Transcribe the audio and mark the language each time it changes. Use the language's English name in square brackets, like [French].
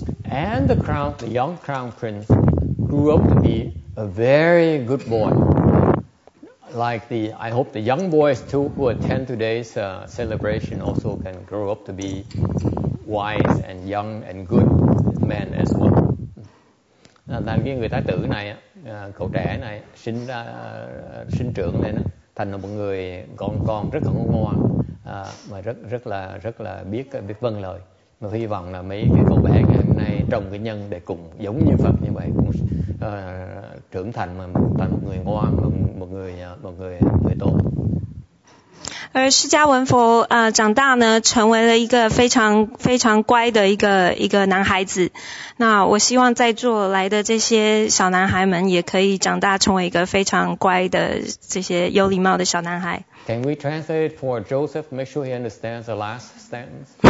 [English] And the young crown prince grew up to be a very good boy. Like the, I hope the young boys too who attend today's celebration also can grow up to be wise and young and good men as well. [Vietnamese] Thành cái người thái tử này, cậu trẻ này sinh ra sinh trưởng lên thành một người con rất là ngoan ngoãn mà rất là biết vâng lời. Mà hy vọng là mấy cái cậu bé ngày hôm nay trồng cái nhân để cùng giống như Phật như vậy cũng trưởng thành mà thành một người ngoan, một người tốt. [Chinese] 而释迦文佛长大呢，成为了一个非常非常乖的一个男孩子。那我希望在座来的这些小男孩们也可以长大成为一个非常乖的这些有礼貌的小男孩。 [English] Can we translate for Joseph? Make sure he understands the last sentence.